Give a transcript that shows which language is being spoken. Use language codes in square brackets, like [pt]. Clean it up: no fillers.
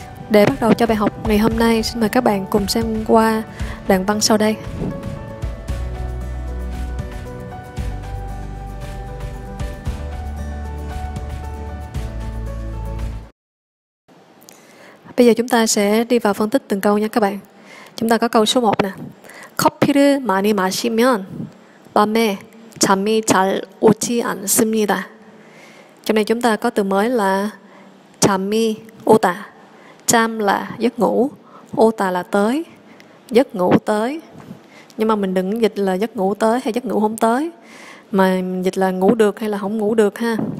[vi] Để bắt đầu cho bài học ngày hôm nay, xin mời các bạn cùng xem qua đoạn văn sau đây. 이제 chúng ta sẽ đi vào phân tích từng câu nha các bạn. Chúng ta có câu số 1 nè. [ko] 커피를 많이 마시면 밤에 잠이 잘 오지 않습니다. [vi] Trong này chúng ta có từ mới là 잠이 오다. 잠 là giấc ngủ, 오다 là tới, giấc ngủ tới. Nhưng mà mình đừng dịch là giấc ngủ tới hay giấc ngủ không tới, mà dịch là ngủ được hay là không ngủ được ha.